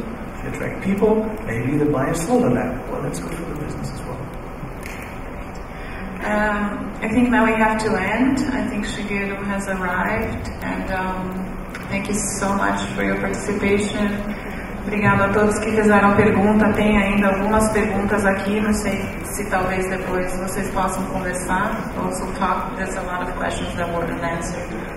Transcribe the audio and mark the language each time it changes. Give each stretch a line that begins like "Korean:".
English: If you attract people, maybe they buy a solar lamp. Well, that's good for the business as well. I think now we have to end. I think Shigeru has arrived. And thank you so much for your participation.
Portuguese: Obrigada a todos que fizeram pergunta. Tem ainda algumas perguntas aqui. Não sei se talvez depois vocês possam conversar.
English: Also talk. There's a lot of questions that weren't answered.